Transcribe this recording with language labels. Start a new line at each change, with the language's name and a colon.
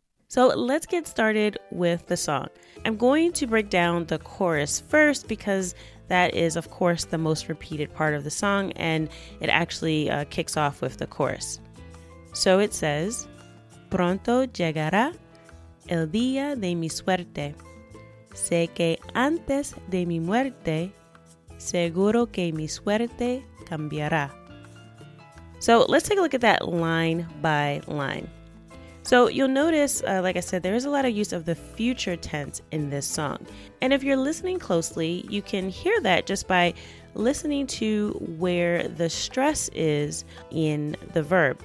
English: So let's get started with the song. I'm going to break down the chorus first because that is, of course, the most repeated part of the song, and it actually kicks off with the chorus. So it says,
Spanish: pronto llegará el día de mi suerte. Sé que antes de mi muerte, seguro que mi suerte cambiará.
English: So let's take a look at that line by line. So you'll notice, like I said, there is a lot of use of the future tense in this song. And if you're listening closely, you can hear that just by listening to where the stress is in the verb.